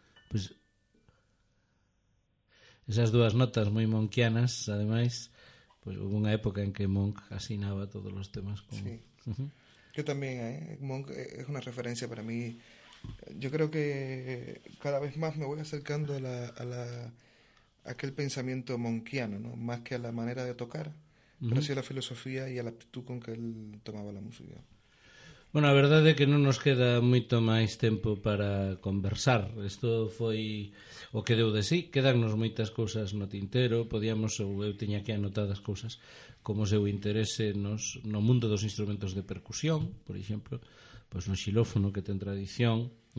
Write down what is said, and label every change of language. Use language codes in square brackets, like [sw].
[gl] Pues esas dúas notas moi monquianas, ademais, pues hubo unha época en que Monk asinaba todos os temas como... Sí. [es] Yo también, Monk es una referencia para mí. Yo creo que cada vez más me voy acercando a aquel pensamiento monquiano, ¿no? Más que a la manera de tocar, pero sí a la filosofía y a la actitud con que él tomaba la música. [gl] Bueno, a verdade é que non nos queda moito máis tempo para conversar. Isto foi o que deu de sí. Quedannos moitas cousas no tintero. Podíamos, ou eu teña aquí anotadas cousas como seu interese no mundo dos instrumentos de percusión, por exemplo, pois no xilófono que ten tradición.